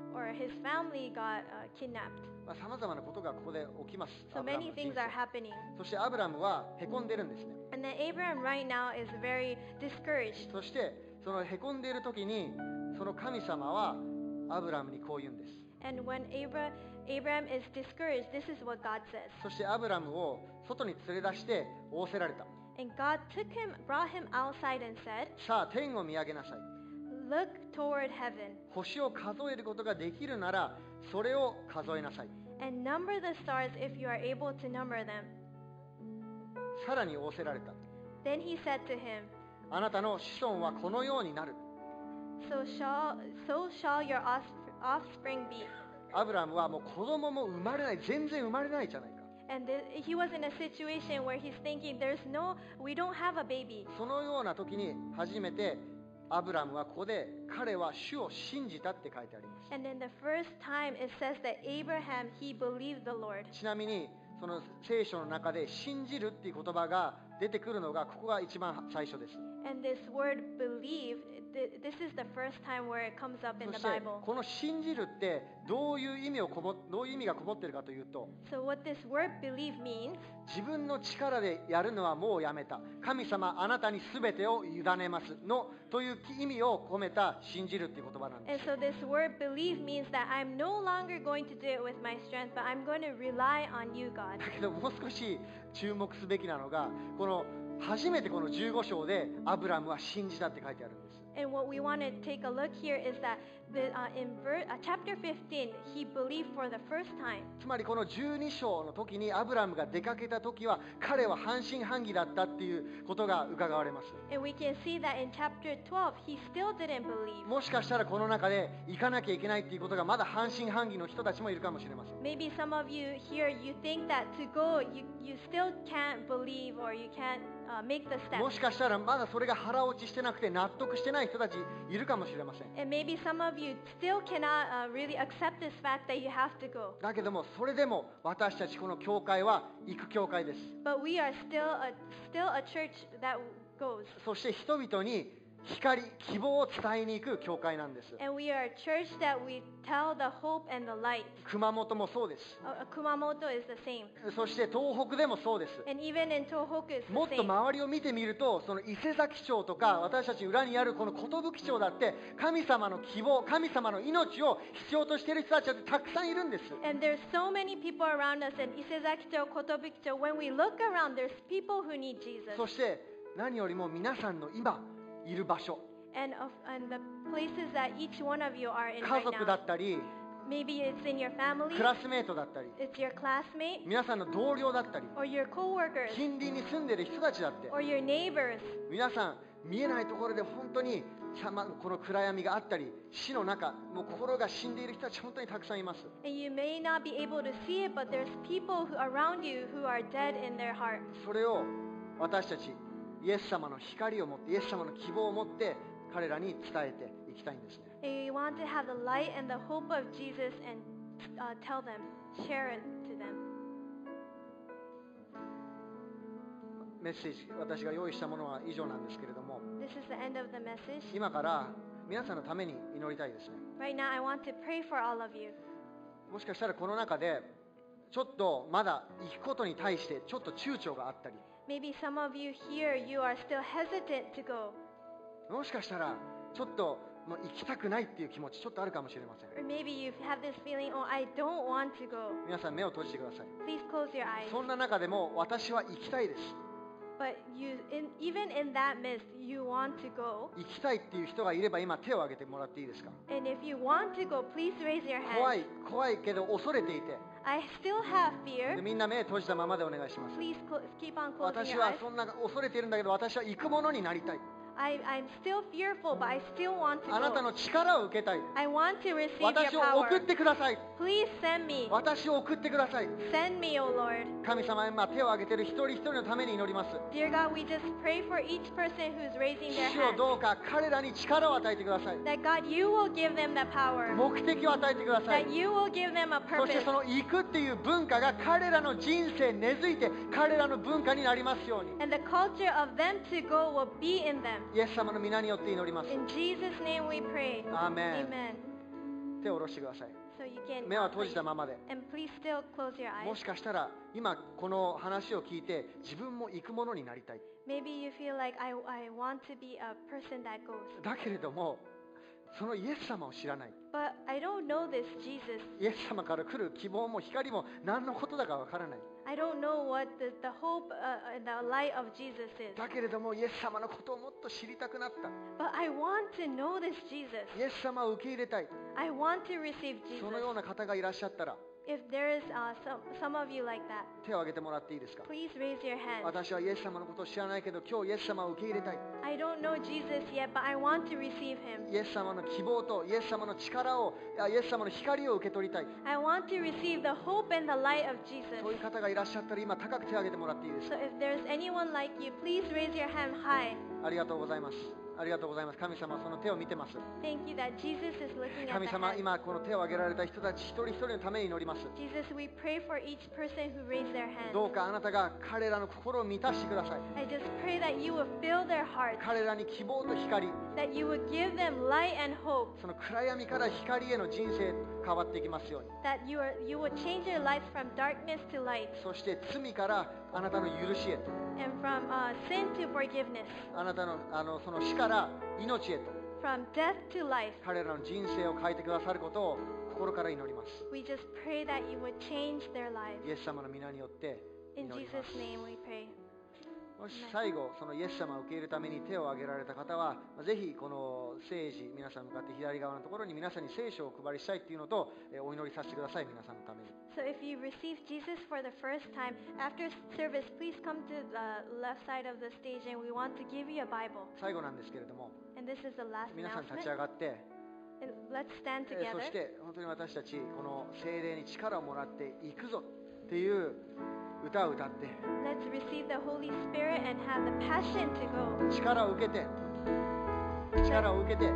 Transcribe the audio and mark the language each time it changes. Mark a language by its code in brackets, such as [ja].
[en] Or his family got kidnapped. [ja] まあさまざまなことがここで起きます。 [en] So many things are happening. [ja] そしてアブラムはへこんでるんですね。 [en] And then Abraham right now is very discouraged. [ja] そしてそのへこんでいる時にその神様はアブラムにこう言うんです。 [en] And when Abraham is discouraged, this is what God says. [ja] そしてアブラムを外に連れ出して仰せられた。 [en] And God took him, brought him outside and said, [ja] さあ天を見上げなさい。 [en] Look toward heaven. [ja] 星を数えることができるならそれを数えなさい。 [en] And number the stars if you are able to number them. [ja] さらに仰せられた。 [en] Then he said to him, [ja] あなたの子孫はこのようになる。 [en] So shall your offspring be. [ja] アブラムはもう子供も生まれない、全然生まれないじゃないか。 [en] And he was in a situation where he's thinking, there's no, we don't have a baby. [ja] そのような時に初めてアブラムはここで彼は主を信じたって書いてあります。 [en] And then the first time it says that Abraham, he believed the Lord. [ja] ちなみにその聖書の中で信じるっていう言葉が出てくるのがここが一番最初です。 [en] And this word believe, this is the first time where it comes up in the Bible. [ja] この信じるってどういう意味がこもってるかというと、 [en] So what this word believe means? [ja] 自分の力でやるのはもうやめた。神様、あなたにすべてを委ねますのという意味を込めた信じるっていう言葉なんです。 [en] And so this word believe means that I'm no longer going to do it with my strength, but I'm going to rely on you, God. [ja] だけどもう少し注目すべきなのが、この初めてこの15章でアブラムは信じたって書いてあるんです。 [en] And what we want to take a look here is that the, in verse, chapter 15, he believed for the first time. [ja] つまりこの12章の時にアブラムが出かけた時は彼は半信半疑だったっていうことが伺われます。 [en] And we can see that in chapter 12, he still didn't believe. [ja] もしかしたらこの中で行かなきゃいけないっていうことがまだ半信半疑の人たちもいるかもしれません。 [en] Maybe some of you here, you think that to go, you still can't believe or you can't make the step. [ja] もしかしたらまだそれが腹落ちしてなくて納得してない人たちいるかもしれません。 [en] And maybe some of you still cannot really accept this fact that you have to go. [ja] だけどもそれでも私たちこの教会は行く教会です。 [en] But we are still a church that goes. [ja] そして人々に光、希望を伝えに行く教会なんです。 [en] And we are a church that we tell the hope and the light. [ja] 熊本もそうです。 [en] Kumamoto is the same. [ja] そして東北でもそうです。 [en] And even in Tohoku is the same. [ja] もっと周りを見てみると、その伊勢崎町とか私たち裏にあるこの寿町だって神様の希望、神様の命を必要としている人たちがたくさんいるんです。 [en] And there's so many people around us in 伊勢崎町、寿町。 When we look around, there's people who need Jesus. [ja] そして何よりも皆さんの今、いる場所、 [en] and the places that each one of you are in right now. [ja] 家族だったり、 [en] maybe it's in your family. [ja] クラスメートだったり、 [en] it's your classmate. [ja] 皆さんの同僚だったり、 [en] or your coworkers. [ja] 近隣に住んでる人たちだって、 [en] or your neighbors. [ja] 皆さん見えないところで本当にこの暗闇があったり、死の中、もう心が死んでいる人たち本当にたくさんいます。 [en] And you may not be able to see it, but there's people who around you who are dead in their heart. [ja] それを私たち。イエス様の光を持って、イエス様の希望を持って彼らに伝えていきたいんですね。 [en] We want to have the light and the hope of Jesus and tell them, share it to them. [ja] メッセージ、私が用意したものは以上なんですけれども、 [en] This is the end of the message. [ja] 今から皆さんのために祈りたいですね。 [en] Right now, I want to pray for all of you. [ja] もしかしたらこの中でちょっとまだ行くことに対してちょっと躊躇があったり、 [en] Maybe some of you here, you are still hesitant to go. [ja] もしかしたらちょっともう行きたくないっていう気持ちちょっとあるかもしれません。 [en] Or maybe you have this feeling, oh, I don't want to go. [ja] 皆さん目を閉じてください。 [en] Please close your eyes. [ja] そんな中でも私は行きたいです。 [en] But you, even in that midst, you want to go. [ja] 行きたいっていう人がいれば今手を挙げてもらっていいですか。 [en] And if you want to go, please raise your hand. [ja] 怖いけど恐れていて。 [en] I still have fear. [ja] みんな目閉じたままでお願いします。 [en] Please keep on closing your eyes. [ja] 私はそんな恐れているんだけど、私は行くものになりたい。 [en] I'm still fearful, but I still want to go. [ja] あなたの力を受けたい。 [en] I want to receive your power. [ja] 私を送ってください。 [en] Please send me. [ja] 私を送ってください。 [en] Send me, O Lord. [ja] 神様、今手を挙げている一人一人のために祈ります。 [en] Dear God, we just pray for each person who's raising their hand. [ja] 主をどうか彼らに力を与えてください。 [en] That God, you will give them the power. [ja] 目的を与えてください。 [en] That you will give them a purpose. [ja] そしてその行くっていう文化が彼らの人生根付いて彼らの文化になりますように。 [en] And the culture of them to go will be in them. [ja] イエス様の御名によって祈ります。 [en] In Jesus' name we pray. Amen. Amen. [ja] 手を下ろしてください。 [en] So、you can [ja] 目は閉じたままで。 [en] And please still close your eyes. [ja] もしかしたら今この話を聞いて自分も行くものになりたい。 [en] Maybe you feel like I want to be a person that goes. [ja] だけれどもそのイエス様を知らない。 [en] But I don't know this Jesus. [ja] イエス様から来る希望も光も何のことだかわからない。 [en] I don't know what the hope and the light of Jesus is. [ja] だけれどもイエス様のことをもっと知りたくなった。 [en] But I want to know this Jesus. [ja] イエス様を受け入れたい。 [en] I want to receive Jesus. [ja] そのような方がいらっしゃったら、 [en] If there is some of you like that, [ja] 手を挙げてもらっていいですか? [en] Please raise your hand. [ja] 私はイエス様のことを知らないけど、今日イエス様を受け入れたい。 [en] I don't know Jesus yet, but I want to receive him. [ja] イエス様の希望とイエス様の力を、イエス様の光を受け取りたい。 [en] I want to receive the hope and the light of Jesus. [ja] そういう方がいらっしゃったら、今高く手を挙げてもらっていいですか? [en] So if there's anyone like you, please raise your hand high. [ja] ありがとうございます。ありがとうございます。神様はその手を見てます。 [en] Thank you that Jesus is looking at the hand. [ja] 神様、今この手を挙げられた人たち一人一人のために祈ります。 [en] Jesus, we pray for each person who raised their hand. [ja] どうかあなたが彼らの心を満たしてください。 [en] I just pray that you will fill their hearts. [ja] 彼らに希望と光。 [en] That you will give them light and hope. [ja] その暗闇から光への人生変わっていきますように。 [en] That you will change your life from darkness to light. [ja] そして罪からあなたの許しへと。 [en] And from sin to forgiveness. [ja] あなたの、その死から命へと。 [en] From death to life. [ja] 彼らの人生を変えてくださることを心から祈ります。 [en] We just pray that you would change their lives. [ja] イエス様の御名によって祈ります。 [en] In Jesus' name we pray. [ja] もし最後、そのイエス様を受け入れるために手を挙げられた方は、ぜひこの聖事、皆さん向かって左側のところに皆さんに聖書を配りしたいというのと、お祈りさせてください、皆さんのために。 [en] So if you receive Jesus for the first time, after service, please come to the left side of the stage and we want to give you a Bible. [ja] 最後なんですけれども、 [en] And this is the last [ja] 皆さん立ち上がって、 [en] And let's stand together. [ja] そして本当に私たち、この聖霊に力をもらっていくぞっていう歌を歌って、 [en] Let's receive the Holy Spirit and have the passion to go. [ja] 力を受けて、力を受けて、